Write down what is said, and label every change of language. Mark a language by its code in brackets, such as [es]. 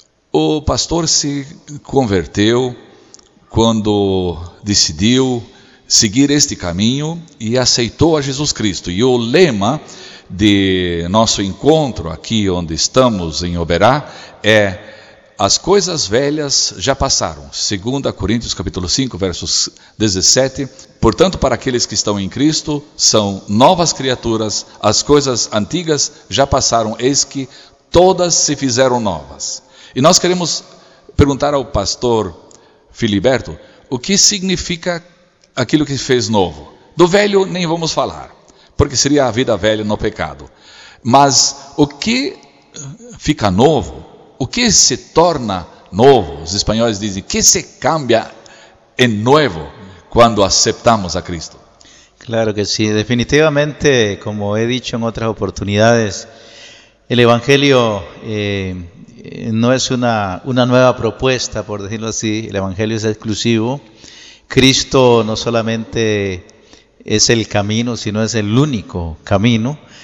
[pt] O pastor se converteu quando decidiu seguir este caminho e aceitou a Jesus Cristo. E o lema de nosso encontro aqui onde estamos em Oberá é: as coisas velhas já passaram. 2 Coríntios capítulo 5, versos 17. Portanto, para aqueles que estão em Cristo, são novas criaturas, as coisas antigas já passaram, eis que todas se fizeram novas. E nós queremos perguntar ao pastor Filiberto o que significa aquilo que fez novo. Do velho nem vamos falar, porque seria a vida velha no pecado. Mas o que fica novo? O que se torna novo? Os espanhóis dizem, [es] que se cambia en nuevo [pt] quando aceptamos a Cristo? Claro que sim. [es] Definitivamente, como he dicho en otras oportunidades, el Evangelio no es una nueva propuesta, por decirlo así. El Evangelio es exclusivo. Cristo no solamente es el camino, sino es el único camino.